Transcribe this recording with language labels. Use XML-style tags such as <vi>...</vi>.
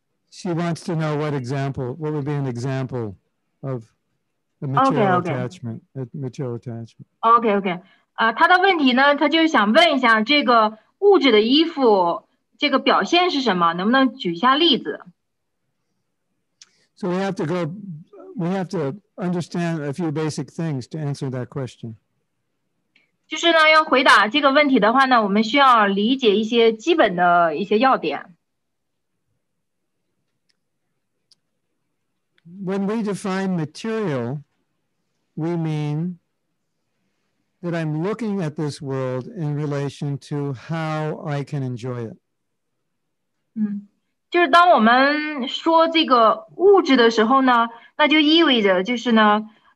<en>She wants to know what would be an example of the material attachment. Okay.</en> <zh>她的问题呢，她就想问一下这个物质的依附，这个表现是什么？能不能举一下例子？</zh> <en>So we have to understand a few basic things to answer that question.</en> <zh>就是呢，要回答这个问题的话呢，我们需要理解一些基本的一些要点。</zh> <en>When we define material, we mean that I'm looking at this world in relation to how I can enjoy it.</en> <zh>就是当我们说这个物质的时候呢，那就意味着就是呢。</zh>